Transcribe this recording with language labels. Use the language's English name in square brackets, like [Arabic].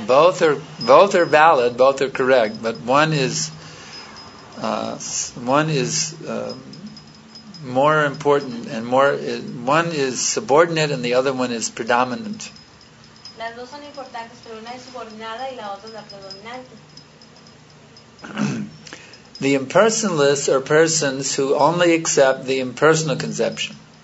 [English] Both are valid, both are correct, but one is more important and more one is subordinate and the other one is predominant. [Spanish] Las dos son importantes, pero una es subordinada y la otra es la predominante. [English] The impersonalists are persons who only accept the impersonal conception.